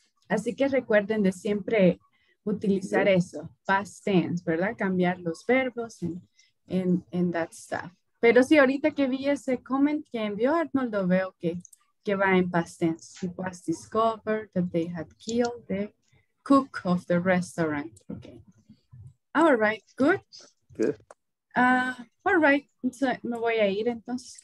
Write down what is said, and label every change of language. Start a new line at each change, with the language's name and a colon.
Spanish: Así que recuerden de siempre utilizar eso, past tense, ¿verdad? Cambiar los verbos
English: and that stuff.
Spanish: Pero sí, ahorita que vi ese comment que envió Arnoldo, veo que va en past tense.
English: It was discovered that they had killed the cook of the restaurant. Okay. All right, good. Good. All right, so,
Spanish: me voy a ir entonces.